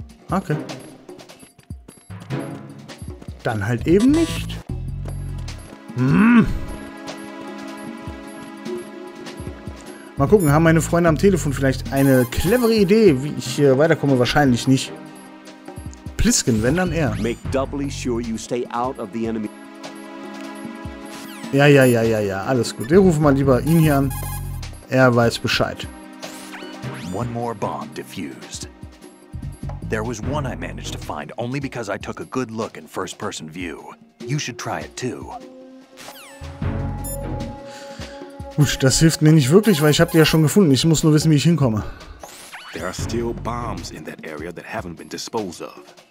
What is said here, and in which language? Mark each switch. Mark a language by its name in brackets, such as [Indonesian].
[German] Okay. Dann halt eben nicht. Mal gucken, haben meine Freunde am Telefon vielleicht eine clevere Idee, wie ich hier weiterkomme? Wahrscheinlich nicht. Plisken, wenn dann er. [English] Make doubly sure you stay out of the enemy. [German] Ja, alles gut. Wir rufen mal lieber ihn hier an. Er weiß Bescheid. [English] One more bomb defused. There was one I managed to find only because I took a good look in first person view. You should try it too. [German] Gut, das hilft mir nicht wirklich, weil ich habe die ja schon gefunden. Ich muss nur wissen, wie ich hinkomme. [English] There are still bombs in that area that haven't been disposed of.